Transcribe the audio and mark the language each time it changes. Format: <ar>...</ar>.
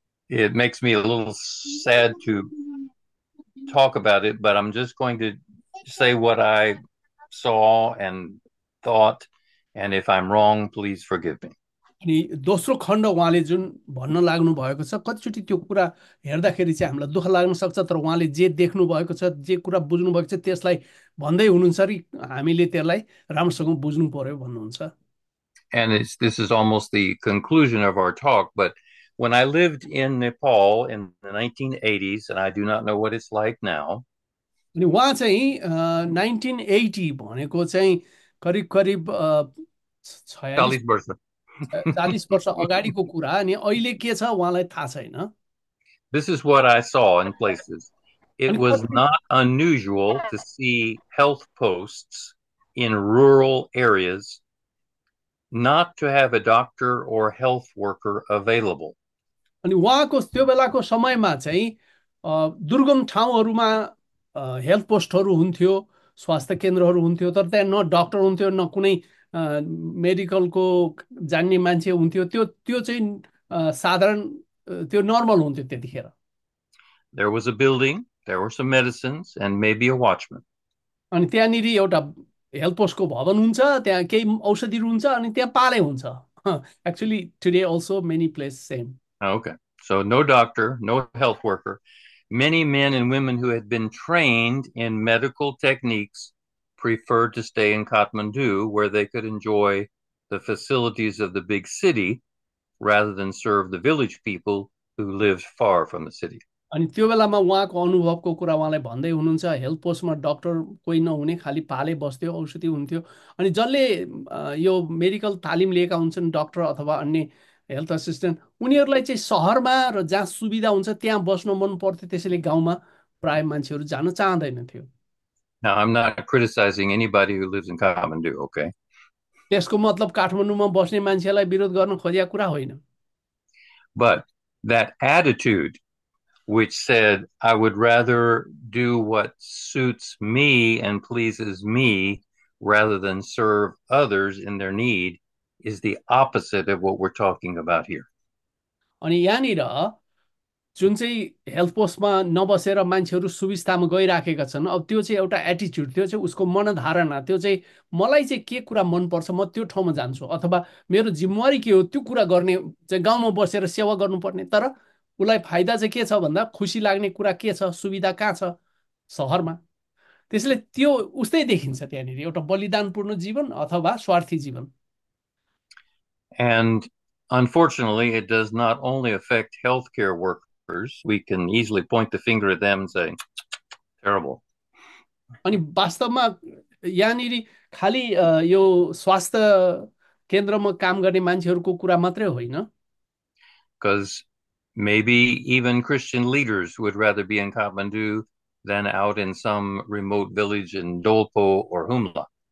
<en>It makes me a little sad to talk about it, but I'm just going to say what I saw and thought, and if I'm wrong, please forgive me.</en> <ne>अनि दोस्रो खण्ड उहाँले जुन भन्न लाग्नु भएको छ, कतिचोटि त्यो कुरा हेर्दाखेरि चाहिँ हामीलाई दुःख लाग्न सक्छ, तर उहाँले जे देख्नु भएको छ, जे कुरा बुझ्नु भएको छ त्यसलाई भन्दै हुनुहुन्छ र हामीले त्यसलाई राम्रोसँग बुझ्नु पर्यो भन्नुहुन्छ।</ne> <en>And this is almost the conclusion of our talk, but when I lived in Nepal in the 1980s, and I do not know what it's like now.</en> <ne>अनि उहाँ चाहिँ 1980 भनेको चाहिँ करिब करिब 46 40 वर्ष. 40 वर्ष अगाडिको कुरा, अनि अहिले के छ उहाँलाई थाहा छैन।</ne> <en>This is what I saw in places. It was not unusual to see health posts in rural areas not to have a doctor or health worker available.</en> <ne>अनि उहाँको त्यो बेलाको समयमा चाहिँ दुर्गम ठाउँहरूमा हेल्थ पोस्टहरू हुन्थ्यो, स्वास्थ्य केन्द्रहरू हुन्थ्यो, तर त्यहाँ न डक्टर हुन्थ्यो न कुनै मेडिकलको जान्ने मान्छे हुन्थ्यो, त्यो त्यो चाहिँ साधारण त्यो नर्मल हुन्थ्यो त्यतिखेर।</ne> <en>There was a building, there were some medicines, and maybe a watchman.</en> <ne>अनि त्यहाँनिर एउटा हेल्थ पोस्टको भवन हुन्छ, त्यहाँ केही औषधिहरू हुन्छ, अनि त्यहाँ पाले हुन्छ।</ne> <en>Actually today also many place same. Okay, so no doctor, no health worker. Many men and women who had been trained in medical techniques preferred to stay in Kathmandu, where they could enjoy the facilities of the big city rather than serve the village people who lived far from the city.</en> <ne>अनि त्यो बेलामा उहाँको अनुभवको कुरा उहाँलाई भन्दै हुनुहुन्छ, health पोस्टमा डक्टर कोही नहुने, खालि पाले बस्थ्यो, औषधि हुन्थ्यो, अनि जसले यो मेडिकल तालिम लिएका हुन्छन् डक्टर अथवा अन्य हेल्थ असिस्टेन्ट, उनीहरूलाई चाहिँ सहरमा र जहाँ सुविधा हुन्छ त्यहाँ बस्न मन पर्थ्यो, त्यसैले गाउँमा प्राय मान्छेहरू जान चाहँदैनथ्यो।</ne> <en>Now, I'm not criticizing anybody who lives in Kathmandu, okay?</en> <ne>त्यसको मतलब काठमाडौँमा बस्ने मान्छेलाई विरोध गर्न खोजेको कुरा होइन।</ne> <en>But that attitude, which said, I would rather do what suits me and pleases me rather than serve others in their need, is the opposite of what we're talking about here.</en> <ne>अनि यहाँनिर जुन चाहिँ health पोस्टमा नबसेर मान्छेहरू सुविस्तामा गइराखेका छन्, अब त्यो चाहिँ एउटा एटिच्युड, त्यो चाहिँ उसको मनधारणा, त्यो चाहिँ मलाई चाहिँ के कुरा मनपर्छ म त्यो ठाउँमा जान्छु अथवा मेरो जिम्मेवारी के हो त्यो कुरा गर्ने, चाहिँ गाउँमा बसेर सेवा गर्नुपर्ने, तर उसलाई फाइदा चाहिँ के छ भन्दा खुसी लाग्ने कुरा के छ, सुविधा कहाँ छ सहरमा, त्यसले त्यो उस्तै देखिन्छ त्यहाँनिर, एउटा बलिदानपूर्ण जीवन अथवा स्वार्थी जीवन।</ne> <en>And unfortunately, it does not only affect healthcare workers. We can easily point the finger at them and say, terrible.</en> <ne>अनि वास्तवमा यहाँनिर खालि यो स्वास्थ्य केन्द्रमा काम गर्ने मान्छेहरूको कुरा मात्रै होइन,</ne> <en>Because maybe even Christian leaders would rather be in Kathmandu than out in some remote village in Dolpo or Humla.</en>